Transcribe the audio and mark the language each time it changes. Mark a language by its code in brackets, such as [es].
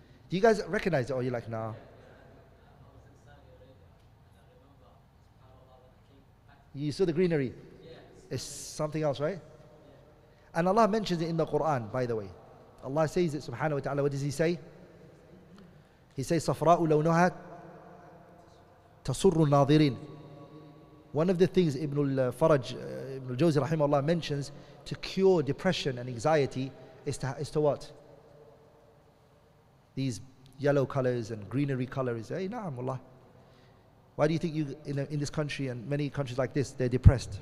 [en] Do you guys recognize it, or you're like, nah? You saw the greenery? Yes. It's something else, right? Yeah. And Allah mentions it in the Quran, by the way. Allah says it, subhanahu wa ta'ala, what does He say? He says, [ar] صَفْرَاءُ لَوْنُهَا تَصُرُّ النَّاظِرِينَ. [en] One of the things Ibn al-Faraj, Ibn al-Jawzi, rahimahullah, mentions to cure depression and anxiety is to what? These yellow colors and greenery colors. Hey, na'am, Allah. Why do you think you in this country and many countries like this, they're depressed?